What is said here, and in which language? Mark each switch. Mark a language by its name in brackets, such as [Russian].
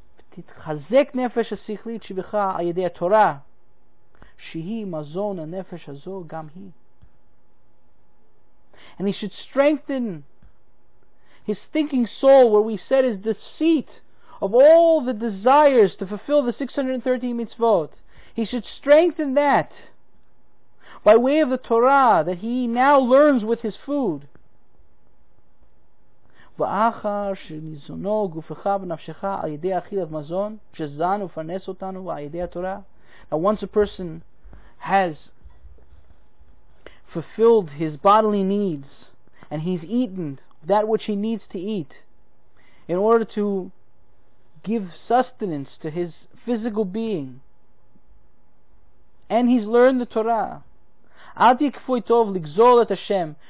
[Hebrew] תתחזק נפש השכלית שבך על ידי התורה שהיא מזון הנפש הזו גם היא. [English] And he should strengthen his thinking soul, where we said is the seat of all the desires to fulfill the 613 mitzvot. He should strengthen that by way of the Torah that he now learns with his food. [Hebrew] ואחר שניזונו גופך ונפשך על ידי אכילת מזון שזן ופרנס אותנו על ידי התורה. [English] Now once a person has fulfilled his bodily needs and he's eaten that which he needs to eat in order to give sustenance to his physical being and he's learned the Torah, [Hebrew] אל תהיה כפוי טוב לגזול את השם.